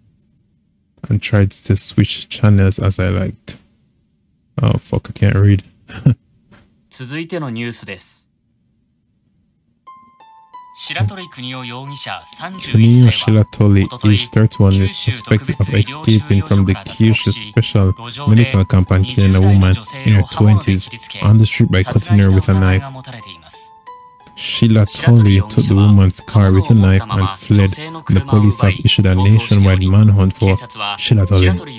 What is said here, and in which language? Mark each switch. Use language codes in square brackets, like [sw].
[en] I picked up the TV remote and tried to switch channels as I liked. Oh fuck, I can't read. [ja] 続いてのニュースです。白鳥国雄容疑者31歳は、おととい、九州特別医療収容所から脱走し、路上で20代の女性を刃物で切りつけ、殺害した疑いが持たれています。 [en] Shilatoli took the woman's car with a knife and fled. The police have issued a nationwide manhunt for Shilatoli.